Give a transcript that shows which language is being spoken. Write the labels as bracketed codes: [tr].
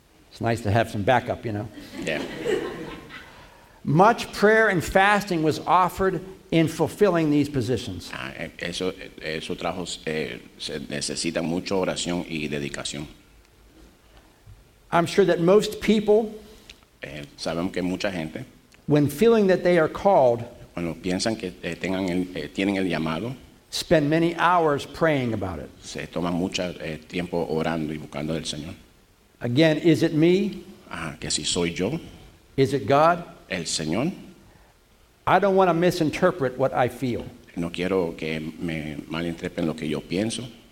[en] It's nice to have some backup, you know. Yeah. Much prayer and fasting was offered in fulfilling these positions. [es] Eso trajo, se necesita mucha oración y dedicación. [en] I'm sure that most people, [es] sabemos que mucha gente, [en] when feeling that they are called, [es] cuando piensan que tienen el llamado, [en] spend many hours praying about it. [es] Se toma mucho tiempo orando y buscando del Señor. [en] Again, is it me? [es] Que si soy yo. [en] Is it God? [es] El Señor. [en] I don't want to misinterpret what I feel. [es] No quiero que me malinterpreten lo que yo pienso.